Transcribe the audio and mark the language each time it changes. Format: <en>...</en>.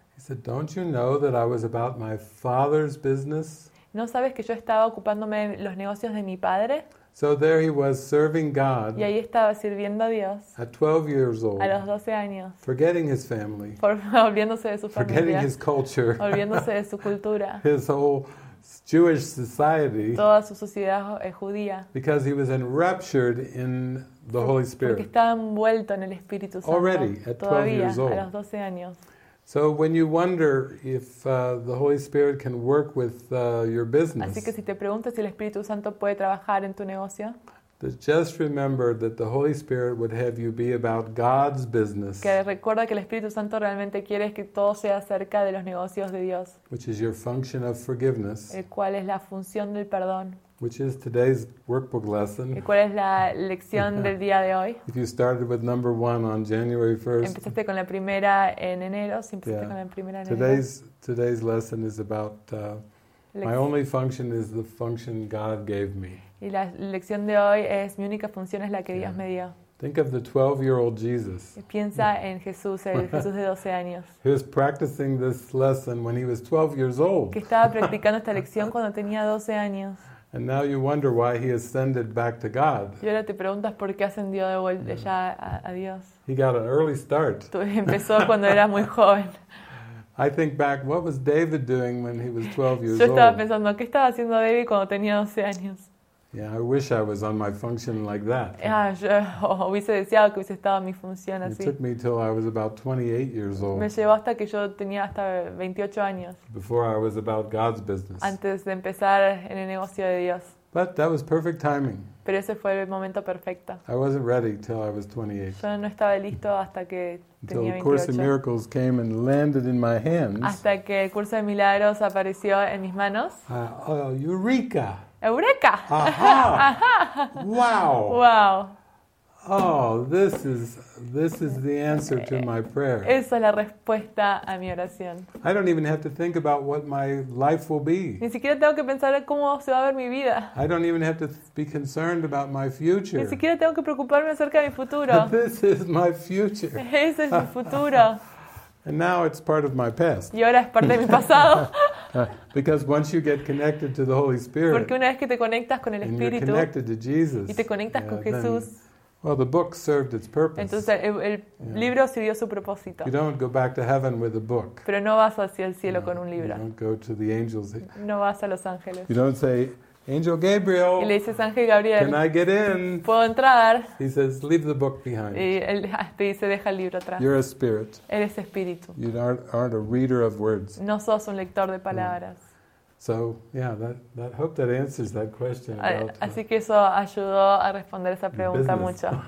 <en>He said, "Don't you know that I was about my father's business?"</en> <es>¿No sabes que yo estaba ocupándome de los negocios de mi padre?</es> <en>So there he was serving God.</en> <es>Y ahí estaba sirviendo a Dios.</es> <en>At 12 years old.</en> <es>A los 12 años.</es> <en>Forgetting his family.</en> <es>Olvidándose de su familia.</es> <en>Forgetting his culture.</en> <es>Olvidándose de su cultura.</es> <en>His whole Jewish society.</en> <es>Toda su sociedad judía.</es> <en>Because he was enraptured in the Holy Spirit.</en> <es>Porque estaba envuelto en el Espíritu Santo.</es> <en>Already at 12</en> <es>todavía,</es> <en>years old.</en> <es>A los 12 años.</es> <en>So when you wonder if the Holy Spirit can work with your business.</en> <es>Así que si te preguntas si el Espíritu Santo puede trabajar en tu negocio.</es> <en>Just remember that the Holy Spirit would have you be about God's business.</en> <es>Que recuerda que el Espíritu Santo realmente quiere que todo sea acerca de los negocios de Dios.</es> <en>Which is your function of forgiveness.</en> <es>¿Cuál es la función del perdón?</es> <en>Which is today's workbook lesson.</en> <es>¿Y cuál es la lección del día de hoy?</es> <en>If you started with number one on January 1st.</en> <es>Empezaste con la primera en enero. Si empezaste con la primera en enero.</es> <en>Today's lesson is about my only function is the function God gave me.</en> <es>Y la lección de hoy es mi única función es la que Dios me dio.</es> <en>Think of the 12-year-old Jesus.</en> <es>Piensa en Jesús, el Jesús de 12 años.</es> <en>He was practicing this lesson when he was 12 years old.</en> <es>Que estaba practicando esta lección cuando tenía 12 años.</es> <en>And now you wonder why he ascended back to God.</en> <es>Y ahora te preguntas por qué ascendió de vuelta ya a Dios.</es> <en>He got an early start.</en> <es>Empezó cuando era muy joven.</es> <en>I think back, what was David doing when he was 12 years old?</en> <es>Yo estaba pensando, ¿qué estaba haciendo David cuando tenía 12 años?</es> <en>Yeah, I wish I was on my function like that.</en> <es>Hubiese deseado que hubiese estado mi función así.</es> <en>It took me till I was about 28 years old.</en> <es>Me llevó hasta que yo tenía hasta 28 años.</es> <en>Before I was about God's business.</en> <es>Antes de empezar en el negocio de Dios.</es> <en>But that was perfect timing.</en> <es>Pero ese fue el momento perfecto.</es> <en>I wasn't ready till I was 28.</en> <es>Yo no estaba listo hasta que tenía 28.</es> <en>Until the Course in Miracles came and landed in my hands.</en> <es>Hasta que el Curso de Milagros apareció en mis manos. Eureka! ¡Eureka! ¡Ajá! ¡Wow! ¡Wow!</es> <en>Oh, this is the answer to my prayer.</en> <es>Esa es la respuesta a mi oración.</es> <en>I don't even have to think about what my life will be.</en> <es>Ni siquiera tengo que pensar cómo se va a ver mi vida.</es> <en>I don't even have to be concerned about my future.</en> <es>Ni siquiera tengo que preocuparme acerca de mi futuro.</es> <en>This is my future.</en> <es>Ese es mi futuro.</es> <en>And now it's part of my past.</en> <es>Y ahora es parte de mi pasado.</es> <en>Because once you get connected to the Holy Spirit,</en> <es>porque una vez que te conectas con el Espíritu,</es> <en>and you're connected to Jesus,</en> <es>y te conectas con Jesús,</es> <en>then, well, the book served its purpose.</en> <es>Entonces el libro sirvió su propósito.</es> <en>You don't go back to heaven with a book.</en> <es>Pero no vas hacia el cielo con un libro.</es> <en>You don't go to the angels.</en> <es>No vas a los ángeles.</es> <en>You don't say, Angel Gabriel,</en> <es>y le dices, Ángel Gabriel,</es> <en>can I get in?</en> <es>¿Puedo entrar?</es> <en>He says, leave the book behind.</en> <es>Y él te dice, deja el libro atrás.</es> <en>You're a spirit.</en> <es>Eres espíritu.</es> <en>You aren't a reader of words.</en> <es>No sos un lector de palabras.</es> <en>So, yeah, that hope that answers that question.</en> <es>Así que eso ayudó a responder esa pregunta mucho.</es>